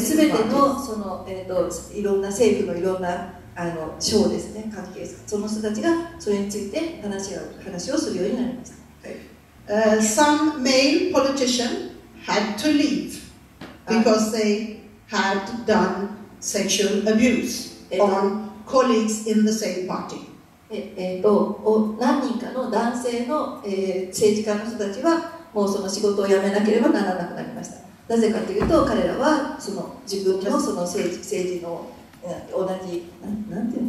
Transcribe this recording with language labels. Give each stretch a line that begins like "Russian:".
Japanese: すべてのそのいろんな政府のいろんな省ですね関係者その人たちがそれについて話をするようになりました。
English: Some male politicians had to leave because they had done sexual abuse on. Colleagues in the same party.
Japanese: 何人かの男性の、政治家の人たちはもうその仕事を辞めなければならなくなりました。なぜかというと彼らはその自分 の, その 政治の同じなんていうの